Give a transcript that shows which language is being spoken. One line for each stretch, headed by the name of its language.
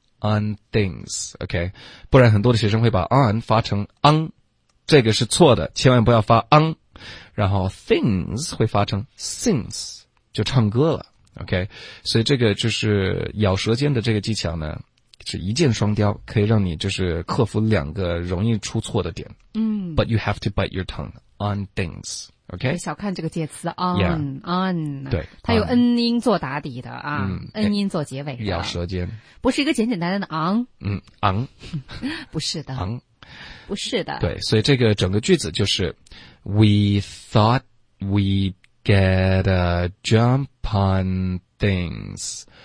Chinese: on things, okay? 不然很多的学生会把 on 发成 on， 这个是错的，千万不要发 on， 然后 things 会发成 since， 就唱歌了， okay？所以这个就是咬舌尖的这个技巧呢，是一箭双雕，可以让你就是克服两个容易出错的点。嗯
English: ，But you have to bite your tongue on things。 OK，
Chinese: 小看这个介词 on，on，、
English: yeah, on,
Chinese: 对，它有 n 音做打底的啊、，n 音做结尾的，咬舌尖，不是一个简简单单的昂，嗯，昂，不是的，昂，不是的，对，所以这个整个句子就是 ，
English: We thought we get a jump on things。